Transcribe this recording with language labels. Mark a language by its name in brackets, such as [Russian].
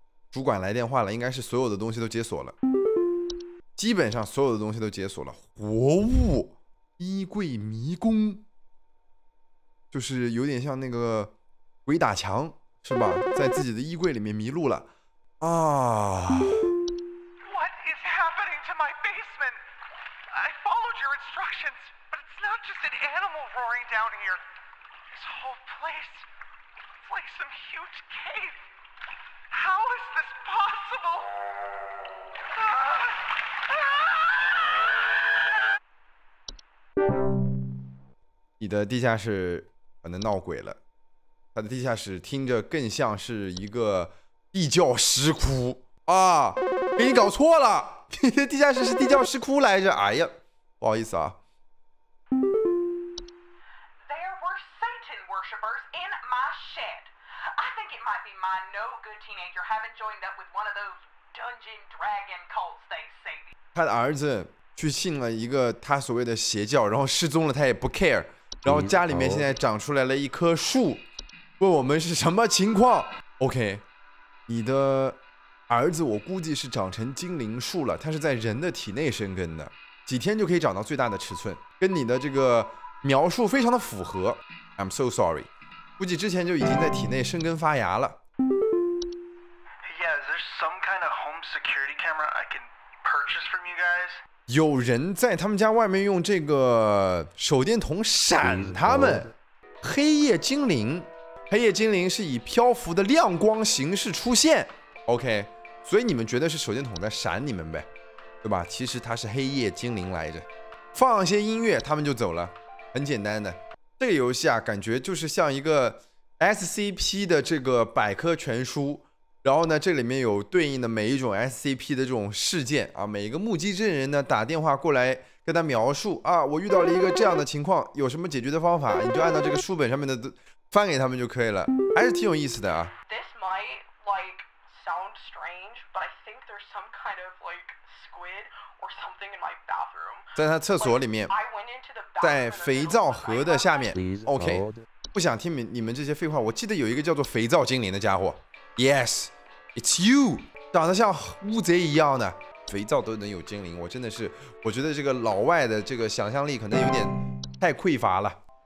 [Chinese] 主管来电话了，应该是所有的东西都解锁了，基本上所有的东西都解锁了。活物衣柜迷宫，就是有点像那个鬼打墙，是吧？在自己的衣柜里面迷路了啊。 [English] What is happening to my basement? I followed your instructions, but it's not just an animal roaring down here. This whole place, it's like some huge cave. How is this possible? [Chinese] 你的地下室可能闹鬼了，他的地下室听着更像是一个地窖石窟啊！给你搞错了，你的地下室是地窖石窟来着。哎呀，不好意思啊。 [English] There were Satan worshippers in my shed. I think it might be my no good teenager having joined up with one of those dungeon dragon cults they say. [Chinese] 他的儿子去信了一个他所谓的邪教，然后失踪了，他也不 care。然后家里面现在长出来了一棵树，问我们是什么情况。 OK， 你的儿子我估计是长成精灵树了，他是在人的体内生根的，几天就可以长到最大的尺寸，跟你的这个描述非常的符合。 [English] I'm so sorry， [Chinese] 估计之前就已经在体内生根发芽了。 [English] Yeah, is there some kind of home security camera I can purchase from you guys？ [Chinese] 有人在他们家外面用这个手电筒闪他们。黑夜精灵，黑夜精灵是以漂浮的亮光形式出现。 OK， 所以你们觉得是手电筒在闪你们呗，对吧？其实它是黑夜精灵来着。放一些音乐，他们就走了。很简单的，这个游戏啊，感觉就是像一个 SCP 的这个百科全书。然后呢，这里面有对应的每一种 SCP 的这种事件啊，每一个目击证人呢打电话过来跟他描述啊，我遇到了一个这样的情况，有什么解决的方法，你就按照这个书本上面的翻给他们就可以了，还是挺有意思的啊。 [English] This might like sound strange, but I think there's some kind of like squid or something in my bathroom. [Chinese] 在他厕所里面，在肥皂盒的下面。 OK， 不想听你们这些废话。我记得有一个叫做肥皂精灵的家伙。 [English] Yes, it's you. [Chinese] 长得像乌贼一样的肥皂都能有精灵，我真的是，我觉得这个老外的这个想象力可能有点太匮乏了。